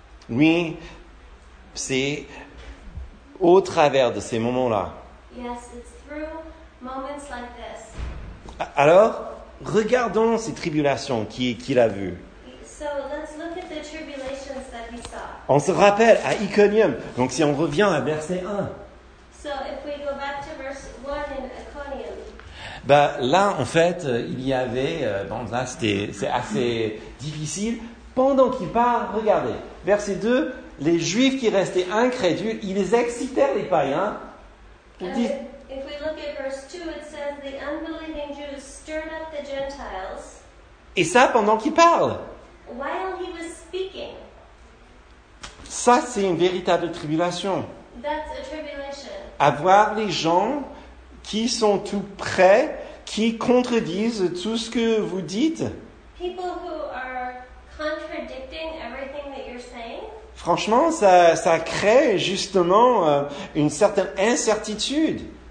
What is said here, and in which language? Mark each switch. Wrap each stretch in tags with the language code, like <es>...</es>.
<fr>Oui, c'est au travers de ces moments-là.</fr> <en>Yes, it's through moments like this.</en> <fr>Alors, regardons ces tribulations qu'il a vues.</fr> <en>So, let's look at the tribulations that he saw.</en> <fr>On se rappelle à Iconium. Donc, si on revient à verset 1.</fr> <en>So, if we go back to verse 1 in Iconium.</en> <fr>Bah, là, en fait, il y avait... bon, là, c'est assez difficile. Pendant qu'il part, regardez. Verset 2, les Juifs qui restaient incrédules, ils excitèrent les païens.</fr> <en>If we look at verse 2, it says the unbelieving Jews stirred up the Gentiles.</en> <fr>Et ça, pendant qu'il parle.</fr> <en>While he was speaking.</en> <fr>Ça, c'est une véritable tribulation.</fr> <en>That's a tribulation.</en> <fr>Avoir les gens qui sont tout prêts, qui contredisent tout ce que vous dites.</fr> <en>People who are contradicting everything that you're saying.</en> <fr>Franchement, ça crée justement une certaine incertitude.</fr>